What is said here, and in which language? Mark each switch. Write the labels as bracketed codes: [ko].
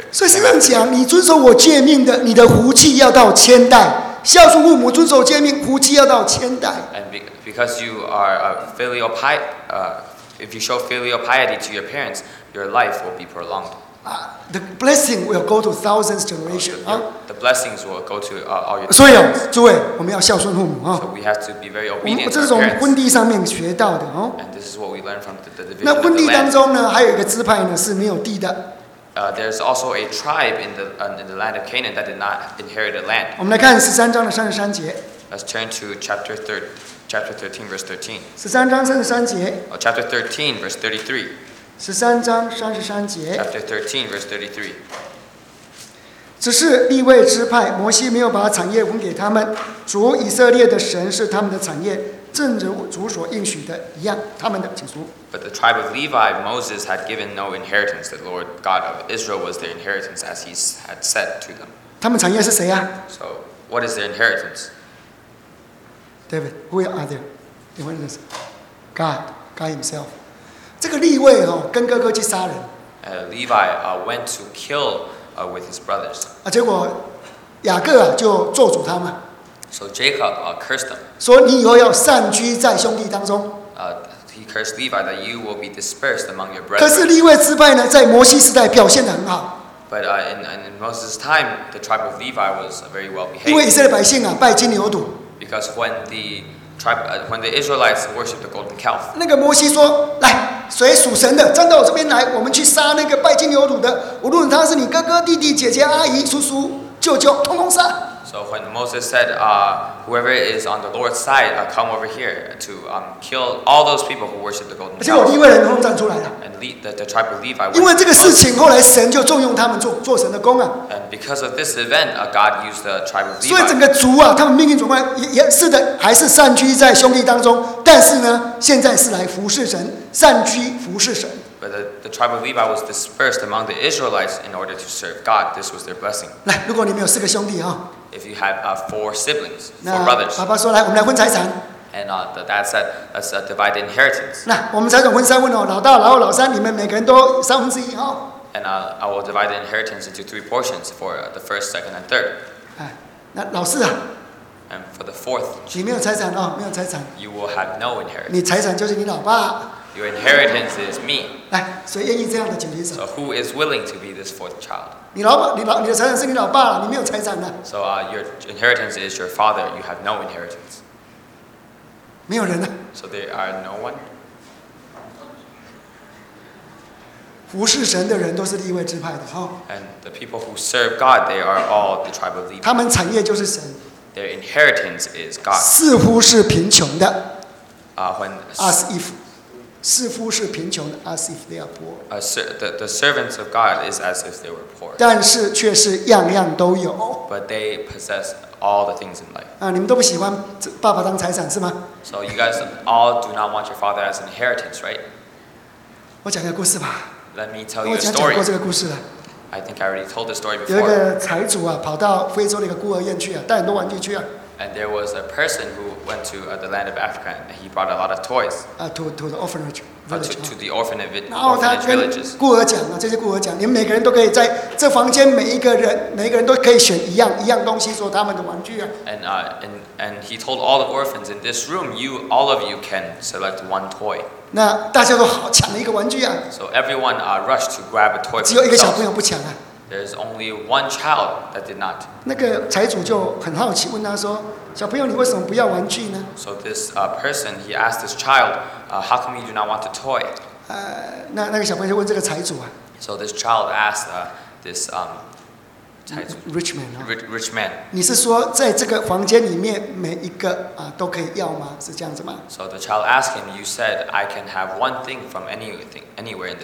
[zh] 所以圣经讲，你遵守我诫命的，你的福气要到千代；孝顺父母，遵守诫命，福气要到千代。 [en] And because you are filial piety, if you show filial piety to your parents, your life will be prolonged. The blessing will go to thousands generations. The blessings will go to all your. [zh] 所以，诸位，我们要孝顺父母啊。 [en] So we have to be very obedient. [zh] 这是从婚礼上面学到的哦。 [en] And this is what we learn from the division. [zh] 那婚礼当中呢，还有一个支派呢是没有地的。 [en] There's also a tribe in the land of Canaan that did not inherit the land. [zh] 我们来看十三章的三十三节。 [en] Let's turn to chapter 13, verse 13. [zh] 十三章三十三节。 [en] Chapter 13, verse 33. [zh] 十三章三十三节。 [en] Chapter 13, verse 33. [zh] 只是利未支派，摩西没有把产业分给他们。主以色列的神是他们的产业，正如主所应许的一样，他们的请出。 [en] But the tribe of Levi, Moses had given no inheritance. The Lord God of Israel was their inheritance, as he had said to them. [zh] 他们产业是谁啊 [en] ？So what is their inheritance? David, who are they? The one is God, God Himself. [zh] 这个利未哦，跟哥哥去杀人。 [en] Levi went to kill with his brothers. [zh] 啊，结果雅各啊就咒诅他们。 [en] So Jacob cursed them. [zh] 说你以后要散居在兄弟当中。 [en] He cursed Levi that you will be dispersed among your brethren. [zh] 可是利未支派呢，在摩西时代表现得很好。 [en] But in Moses' time, the tribe of Levi was very well behaved. [zh] 因为以色列百姓啊拜金牛犊。 [en] Because when the tribe, when the Israelites worshipped the golden calf. [zh] 那个摩西说：“来，谁属神的，站到我这边来，我们去杀那个拜金牛犊的，无论他是你哥哥、弟弟、姐姐、阿姨、叔叔、舅舅，通通杀。” [en] So when Moses said, whoever is on the Lord's side, come over here to kill all those people who worship the golden calf. [zh] 结果利未人通通站出来了。 [en] And the tribe of Levi. [zh] 因为这个事情，后来神就重用他们做神的工啊。 [en] And because of this event, God used the tribe of Levi. [zh] 所以整个族啊，他们命运转过来，也是的，还是散居在兄弟当中。但是呢，现在是来服侍神，散居服侍神。 [en] But the tribe of Levi was dispersed among the Israelites in order to serve God. This was their blessing. [zh] 来，如果你们有四个兄弟啊。 [en] If you have four siblings, four brothers. [zh] 爸爸说来，我们来分财产。 [en] And the dad said, let's divide the inheritance. [zh] 那我们财产分三份哦，老大、老二、老三，你们每个人都三分之一哦。 [en] And I will divide the inheritance into three portions for the first, second, and third. [zh] 那老四啊。 [en] And for the fourth. [zh] 你没有财产哦，没有财产。 [en] You will have no inheritance. [zh] 你财产就是你老爸。 [en] Your inheritance is me. [zh] 来，谁愿意这样的举例子？ [en] So who is willing to be this fourth child? [zh] 你老爸，你的财产是你老爸，你没有财产的。 [en] So your inheritance is your father. You have no inheritance. [zh] 没有人呢。 [en] So there are no one. [zh] 服侍神的人都是利未支派的哈。 [en] And the people who serve God, they are all the tribe of Levi. [zh] 他们产业就是神。 [en] Their inheritance is God. [zh] 似乎是贫穷的。 [en] When as if. [zh] 似乎是贫穷的 [en] ，as if they are poor. The servants of God is as if they were poor. [zh] 但是却是样样都有。 [en] But they possess all the things in life. [zh] 啊，你们都不喜欢爸爸当财产是吗 [en] ？So you guys all do not want your father as inheritance, right? [zh] 我讲个故事吧。 [en] Let me tell you a story. [zh] 我讲过这个故事了。 [en] I think I already told the story before. [zh] 有一个财主啊，跑到非洲的一个孤儿院去啊，带很多玩具去啊。 [en] And there was a person who went to the land of Africa, and he brought a lot of toys. To the orphanage. To the orphanage villages. [zh] 孤儿讲啊，这些孤儿讲，你们每个人都可以在这房间，每一个人都可以选一样东西做他们的玩具啊。 [en] And he told all the orphans in this room, you all of you can select one toy. [zh] 那大家都好抢了一个玩具啊。 [en] So everyone rushed to grab a toy. [zh] 只有一个小朋友不抢啊。 [en] There's only one child that did not. [zh] 那个财主就很好奇，问他说：“小朋友，你为什么不要玩具呢 [en] ？”So this person, he asked this child, "How come you do not want a toy?" [zh] 那个小朋友就问这个财主啊。 [en] So this child asked this rich man. Rich man. [zh] 你是说在这个房间里面每一个都可以要吗？是这样子吗 [en] ？So the child asked him, "You said I can have one thing from anything, anywhere in this room."